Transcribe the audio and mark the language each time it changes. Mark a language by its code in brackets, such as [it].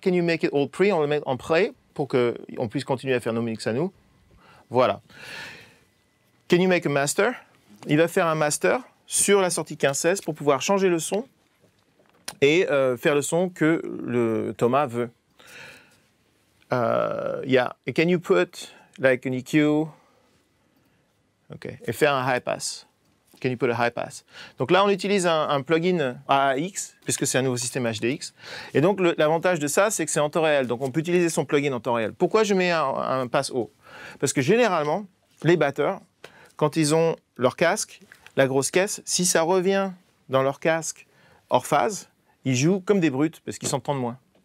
[en] Can you make it all pre? [fr] On le met en pré pour qu'on puisse continuer à faire nos mix à nous. Voilà. [en] Can you make a master? [fr] Il va faire un master sur la sortie 15-16 pour pouvoir changer le son et faire le son que le Thomas veut. [en] Yeah, and can you put like an EQ? Okay, [fr] et faire un high pass. [en] Can you put a high pass? [fr] Donc là, on utilise un plugin AAX, puisque c'est un nouveau système HDX. Et donc, l'avantage de ça, c'est que c'est en temps réel. Donc, on peut utiliser son plugin en temps réel. Pourquoi je mets un pass haut? Parce que généralement, les batteurs, quand ils ont leur casque, la grosse caisse, si ça revient dans leur casque hors phase, ils jouent comme des brutes parce qu'ils s'entendent moins.